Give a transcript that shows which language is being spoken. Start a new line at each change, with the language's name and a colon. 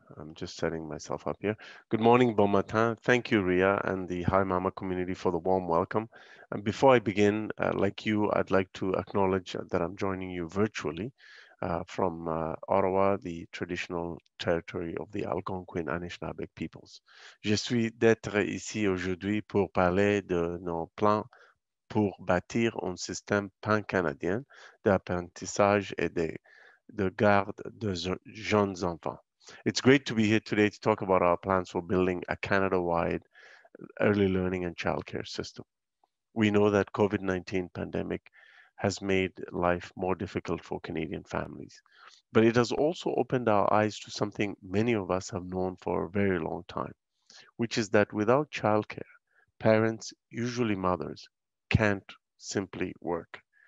English: I'm just setting myself up here. Good morning,
French: bon matin.
English: Thank you, Rhea, and the Hi Mama community for the warm welcome. And before I begin, like you, I'd like to acknowledge that I'm joining you virtually from Ottawa, the traditional territory of the Algonquin Anishinaabeg peoples.
French: Je suis d'être ici aujourd'hui pour parler de nos plans pour bâtir un système pan-canadien d'apprentissage et de garde de jeunes enfants.
English: It's great to be here today to talk about our plans for building a Canada-wide early learning and childcare system. We know that COVID-19 pandemic has made life more difficult for Canadian families. But it has also opened our eyes to something many of us have known for a very long time, which is that without childcare, parents, usually mothers, can't simply work.